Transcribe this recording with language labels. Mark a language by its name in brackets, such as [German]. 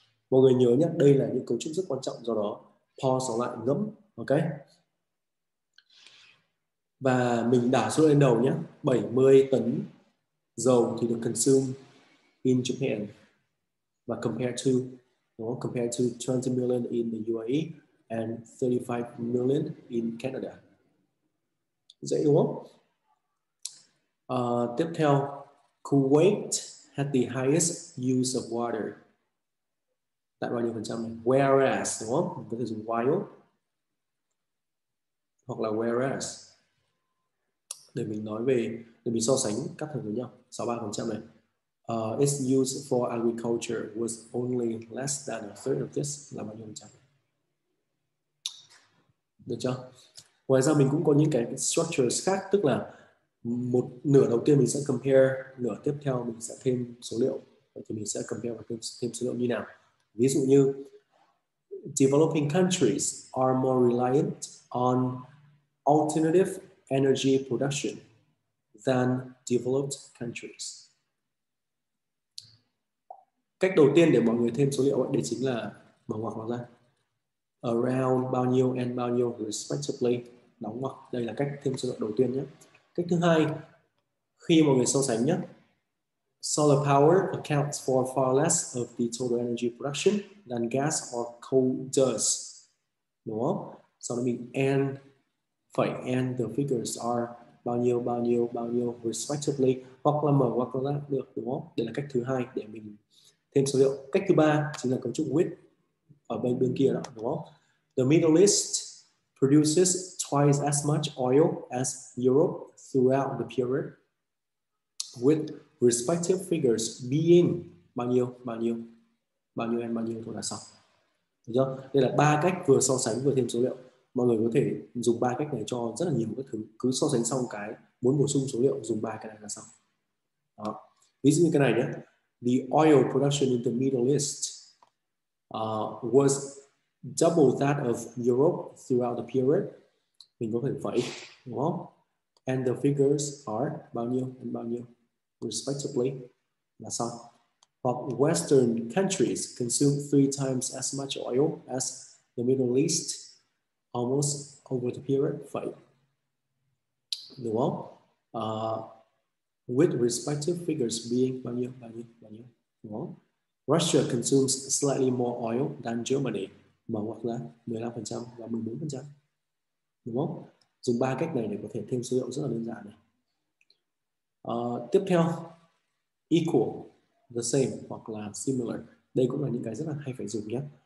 [Vietnamese] Mọi người nhớ nhé, đây là những cấu trúc rất quan trọng, do đó pause nó lại ngẫm, ok. Và mình đảo số lên đầu nhé, 70 tấn dầu thì được [English] consume in Japan [Vietnamese] và [English] compared to, [Vietnamese] đúng không? [English] Compared to 20 million in the UAE and 35 million in Canada. [Vietnamese] Dễ đúng không? Tiếp theo, [English] Kuwait had the highest use of water. [Vietnamese] Tại bao nhiêu phần trăm? Whereas, đúng không? Mình có thể dùng while hoặc là whereas để mình nói về, để mình so sánh các thứ với nhau. 63% này. [English] Its use for agriculture was only less than a third of this. [Vietnamese] Là bao nhiêu phần trăm? Được chưa? Ngoài ra mình cũng có những cái structures khác, tức là một nửa đầu tiên mình sẽ compare, nửa tiếp theo mình sẽ thêm số liệu. Vậy thì mình sẽ compare và thêm số liệu như nào? [English] Ví dụ như developing countries are more reliant on alternative energy production than developed countries. [Vietnamese] Cách đầu tiên để mọi người thêm số liệu ấy, đấy chính là mở ngoặc nó ra. [English] Around [Vietnamese] bao nhiêu and bao nhiêu [English] respectively, [Vietnamese] đóng ngoặc. Đây là cách thêm số liệu đầu tiên nhé. Cách thứ hai, khi mọi người so sánh nhé, [English] solar power accounts for far less of the total energy production than gas or coal does. [Vietnamese] Đúng không? Sau đó mình and phải [English] and the figures are [Vietnamese] bao nhiêu, bao nhiêu, bao nhiêu [English] respectively, [Vietnamese] hoặc là mở hoặc là được, đúng không? Đây là cách thứ hai để mình thêm số liệu. Cách thứ ba chính là cấu trúc with ở bên kia đó, đúng không? [English] The Middle East produces twice as much oil as Europe throughout the period, with respective figures being [Vietnamese] bao nhiêu, bao nhiêu, bao nhiêu [English] and bao nhiêu [Vietnamese] thôi là xong. Được chưa? Đây là ba cách vừa so sánh vừa thêm số liệu. Mọi người có thể dùng ba cách này cho rất là nhiều các thứ. Cứ so sánh xong cái muốn bổ sung số liệu, dùng ba cái này là xong. Đó. Ví dụ như cái này nhé. [English] The oil production in the Middle East was double that of Europe throughout the period. [Vietnamese] Mình có thể phẩy, đúng không? [English] And the figures are [Vietnamese] bao nhiêu [English] and bao nhiêu respectively [Vietnamese] là xong. [English] But Western countries consume three times as much oil as the Middle East almost over the period, [Vietnamese] phải đúng không? [English] With respective figures being [Vietnamese] bao nhiêu, bao nhiêu, bao nhiêu, đúng không? [English] Russia consumes slightly more oil than Germany, [Vietnamese] mà hoặc là 15% và 14%, đúng không? Dùng ba cách này để có thể thêm số liệu rất là đơn giản này. Tiếp theo, [English] equal, the same [Vietnamese] hoặc là [English] similar, [Vietnamese] đây cũng là những cái rất là hay phải dùng nhé.